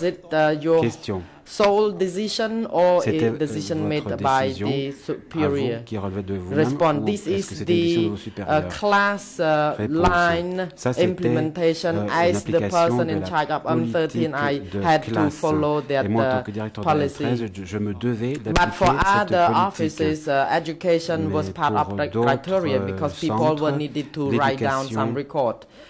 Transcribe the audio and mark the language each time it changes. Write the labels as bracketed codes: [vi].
[en] Was it your question. Sole decision or a decision made by the superior? [fr] Qui relevait de vous-même? Réponse. [en] This is the class line implementation as the person in charge of M13. I had to follow that [fr] policy. Et moi, en tant que directeur de M13, je me devais d'appliquer cette politique. [en] But for other offices, education was part of the criteria because people were needed to write down some record.